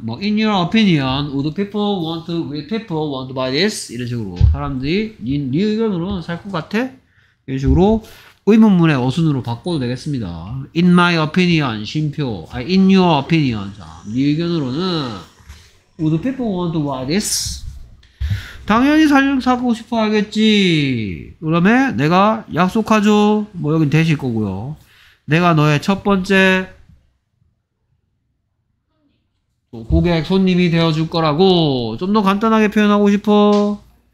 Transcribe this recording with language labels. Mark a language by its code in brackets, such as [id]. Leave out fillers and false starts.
[en] 뭐 in your opinion, would people want to, will people want to buy this? [ko] 이런 식으로 사람들이 네 의견으로는 살 것 같아? 이런 식으로 의문문의 어순으로 바꿔도 되겠습니다. [en] In my opinion, 쉼표. In your opinion, [ko] 자, 네 의견으로는 [en] Would people want to buy this? [ko] 당연히 사고 싶어 하겠지. 그 다음에 내가 약속하죠. 뭐 여긴 되실 거고요. 내가 너의 첫 번째 고객 손님이 되어줄 거라고 좀 더 간단하게 표현하고 싶어.